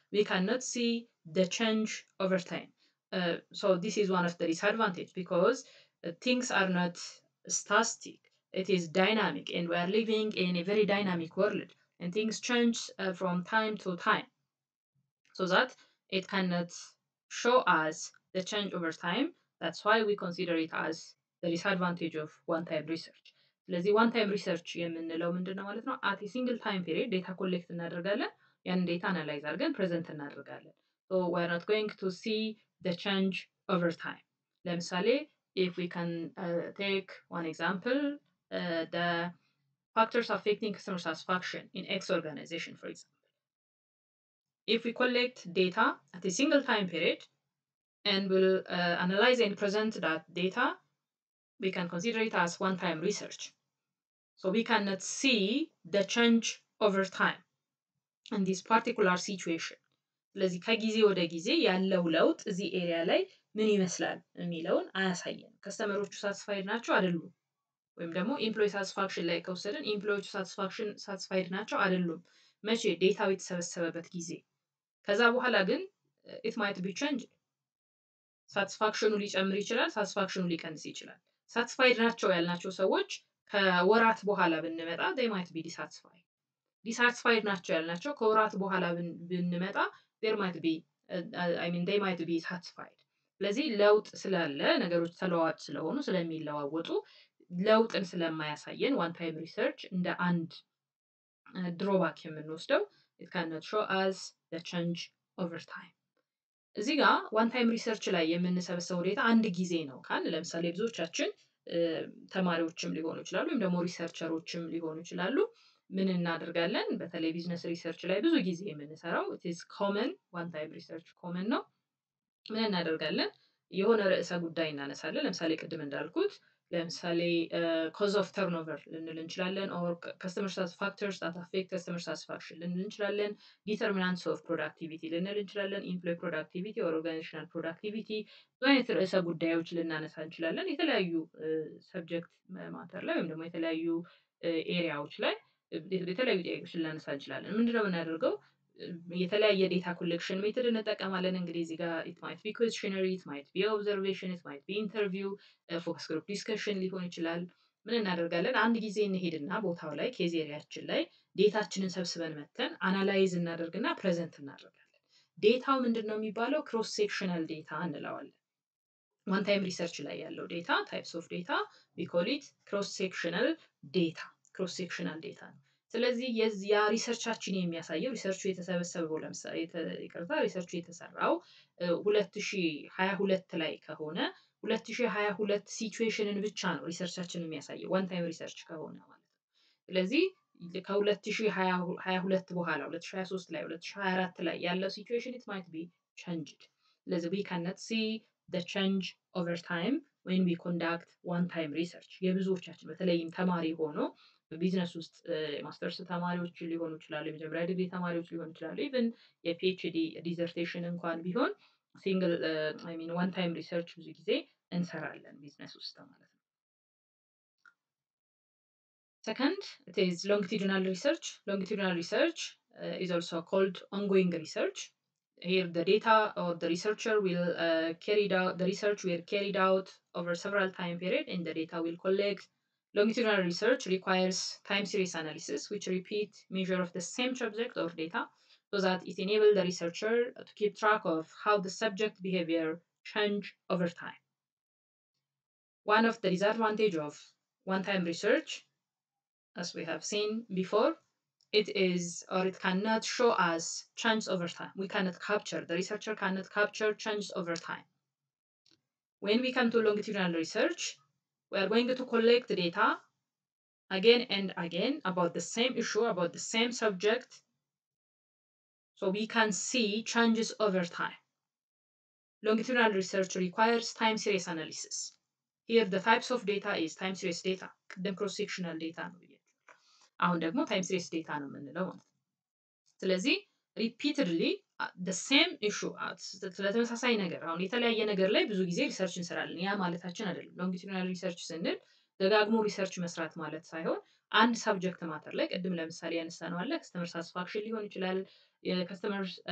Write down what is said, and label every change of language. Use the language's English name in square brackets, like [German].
[English] We cannot see the change over time. So this is one of the disadvantage because things are not static, it is dynamic, and we are living in a very dynamic world, and things change from time to time, so that it cannot show us the change over time. That's why we consider it as the disadvantage of one-time research. [Amharic] ስለዚህ [English] one-time research [Amharic] የምንለው ምንድነው ማለት ነው? [English] At a single time period, data collect [Amharic] እናደርጋለን, ያን [English] data analyze [Amharic] አድርገን [English] present እናደርጋለን. So we are not going to see the change over time. ለምሳሌ if we can take one example, the factors affecting customer satisfaction in X organization, for example. If we collect data at a single time period and we'll analyze and present that data, we can consider it as one-time research. So we cannot see the change over time in this particular situation. [Amharic] ስለዚህ ከጊዜ ወደ ጊዜ ያለው ለውጥ እዚህ ኤሪያ ላይ ምን ይመስላል የሚለውን አያሳየንም። ከስተመሮቹ ሳትስፋይድ ናቸው አይደሉም? ወይም ደግሞ ኢምፕሎይ ሳትስፋክሽን ላይ ከወሰድን ኢምፕሎዮቹ ሳትስፋይድ ናቸው አይደሉም? መቼ? ዴታው የተሰበሰበበት ጊዜ። ከዛ በኋላ ግን [English] ኢት ማይት ቢ ቼንጅ። [Amharic] ሳትስፋክሽኑ ሊጨምር ይችላል፣ ሳትስፋክሽኑ ሊቀንስ ይችላል። ሳትስፋይድ ናቸው ያልናቸው ሰዎች ከወራት በኋላ ብንመጣ [English] ዴይ ማይት ቢ ዲሳትስፋይድ [Amharic] ናቸው ያልናቸው ከወራት በኋላ ብንመጣ [English] there might be they might be satisfied. [Amharic] ስለዚህ ለውጥ ስለለ ነገሮች ተለዋጭ ስለሆኑ ስለሚለዋወጡ ለውጥን ስለማያሳየን one time research እንደ አንድ drawback የምንወስደው [English] it cannot show us the change over time. [Amharic] እዚህ ጋር one time research ላይ የምንሰበሰበው ዴታ አንድ ጊዜ ነው ካል ለምሳሌ ብዙዎቻችን ተማሪዎችም ሊሆኑ ይችላሉ ወይም ደግሞ researcherዎችም ሊሆኑ ይችላሉ ምን እናደርጋለን? በተለይ ቢዝነስ ሪሰርች ላይ ብዙ ጊዜ የምንሰራው [English] it is common, one time research common [Amharic] ነው። ምን እናደርጋለን? የሆነ ርዕሰ ጉዳይ እናነሳለን። ለምሳሌ ቅድም እንዳልኩት ለምሳሌ [English] cause of turnover [Amharic] ልንል እንችላለን [English] or customer factors that affect customer satisfaction [Amharic] ልንል እንችላለን, [English] determinants of productivity [Amharic] ልንል እንችላለን, [English] employee productivity or organizational productivity [Amharic] ብዙ አይነት ርዕሰ ጉዳዮች ልናነሳ እንችላለን። የተለያዩ ሰብጀክት ማተር ላይ ወይም ደግሞ የተለያዩ ኤሪያዎች ላይ የተለያዩ ዴታዎችን ልናነሳ እንችላለን። ምንድነው የምናደርገው? የተለያየ ዴታ ኮሌክሽን ሜቶድ እንጠቀማለን። እንግዲህ እዚህ ጋር [English] it might be questionnaire, it might be observation, it might be interview, focus group discussion [Amharic] ሊሆን ይችላል። ምን እናደርጋለን? አንድ ጊዜ እንሄድና ቦታው ላይ ኬዝ ኤሪያችን ላይ ዴታችንን ሰብስበን መተን አናላይዝ እናደርግና ፕሬዘንት እናደርጋለን። ዴታው ምንድነው የሚባለው? ክሮስ ሴክሽናል ዴታ እንለዋለን። ዋን ታይም ሪሰርች ላይ ያለው ዴታ ታይፕስ ኦፍ ዴታ [English] we call it [Amharic] ክሮስ ሴክሽናል ዴታ ክሮስ ሴክሽናል ዴታ ነው። ስለዚህ የዚያ ሪሰርቻችን የሚያሳየው ሪሰርቹ የተሰበሰበው ለምሳሌ ይቅርታ ሪሰርቹ የተሰራው 2022 ላይ ከሆነ 2022 ሲቹዌሽንን ብቻ ነው ሪሰርቻችን የሚያሳየው ዋን ታይም ሪሰርች ከሆነ ማለት ነው። ስለዚ ከ2022 በኋላ 2023 ላይ 2024 ላይ ያለው [English] situation it might be changed. [Amharic] ስለዚ [English] we cannot see the change over time when we conduct one time research. [Amharic] የብዙዎቻችን በተለይም ተማሪ ሆኖ በቢዝነስ ውስጥ ማስተርስ ተማሪዎች ሊሆኑ ይችላሉ፣ የመጀመሪያ ዲግሪ ተማሪዎች ሊሆኑ ይችላሉ፣ ኢቭን የፒኤችዲ ዲዘርቴሽን እንኳን ቢሆን [English] ሲንግል አይ ሚን ዋን ታይም ሪሰርች [Amharic] ብዙ ጊዜ እንሰራለን ቢዝነስ ውስጥ ማለት ነው። [English] ሰከንድ ኢት ኢዝ ሎንግቲዱናል ሪሰርች። ሎንግቲዱናል ሪሰርች ኢዝ ኦልሶ ኮልድ ኦንጎይንግ ሪሰርች። Here the data or the researcher will carried out the research were carried out over several time period and the data will collect. Longitudinal research requires time series analysis which repeat measure of the same subject or data so that it enable the researcher to keep track of how the subject behavior change over time. One of the disadvantage of one time research, as we have seen before, it is or it cannot show us change over time. We cannot capture, the researcher cannot capture change over time. When we come to longitudinal research, we are going to collect the data again and again about the same issue, about the same subject, so we can see changes over time. Longitudinal research requires time series analysis. Here the types of data is time series data, then cross-sectional data. [Amharic] አሁን ደግሞ ታይም ሲሪስ ዴታ ነው የምንለው ማለት ነው። ስለዚህ [English] ሪፒትድሊ ዘ ሴም ኢሹ [Amharic] ለተመሳሳይ ነገር አሁን የተለያየ ነገር ላይ ብዙ ጊዜ ሪሰርች እንሰራለን ያ ማለታችን አይደለም። ሎንግቲዩድናል ሪሰርች ስንል ደጋግሞ ሪሰርች መስራት ማለት ሳይሆን አንድ ሰብጀክት ማተር ላይ ቅድም ለምሳሌ ያነሳነዋል ከስተመር ሳትስፋክሽን ሊሆን ይችላል፣ የከስተመር